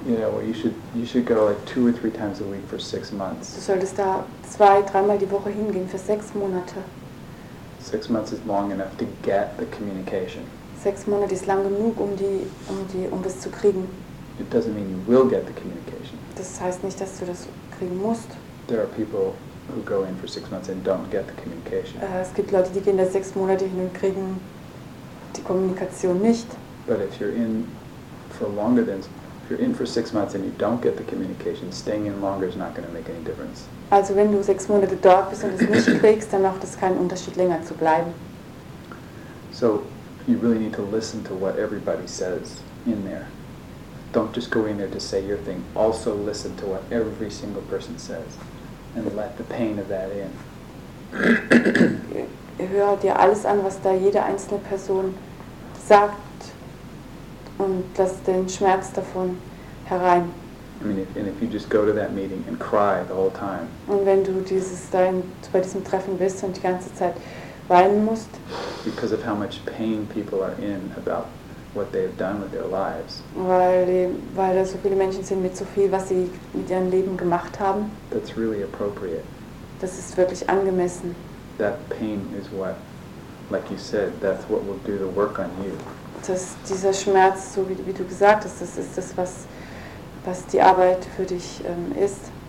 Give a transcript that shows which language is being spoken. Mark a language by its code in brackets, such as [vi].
[en] Yeah, well, you should go like 2 or 3 times a week for 6 months. [de] Du solltest da 2-3 Mal die Woche hingehen für 6 Monate. [en] 6 months is long enough to get the communication. [de] 6 Monate ist lang genug, um das zu kriegen. [en] It doesn't mean you will get the communication. [de] Das heißt nicht, dass du das kriegen musst. [en] There are people who go in for 6 months and don't get the communication. [de] Es gibt Leute, die gehen da 6 Monate hin und kriegen die Kommunikation nicht. [en] But if you're in for longer than, if you're in for 6 months and you don't get the communication, staying in longer is not going to make any difference. [de] Also wenn du 6 Monate dort bist und es nicht kriegst, dann macht es keinen Unterschied, länger zu bleiben. [en] So you really need to listen to what everybody says in there. Don't just go in there to say your thing. Also listen to what every single person says and let the pain of that in. [de] Hör dir alles an, was da jede einzelne Person sagt und lass den Schmerz davon herein. [en] I mean, if you just go to that meeting and cry the whole time. [de] Und wenn du bei diesem Treffen bist und die ganze Zeit weinen musst. [en] Because of how much pain people are in about what they have done with their lives. [de] Weil da so viele Menschen sind mit so viel, was sie mit ihrem Leben gemacht haben. [en] That's really appropriate. [de] Das ist wirklich angemessen. [en] That pain is what, like you said, that's what will do the work on you. [de] Dass dieser Schmerz, so wie du gesagt hast, das ist das, was die Arbeit für dich ist.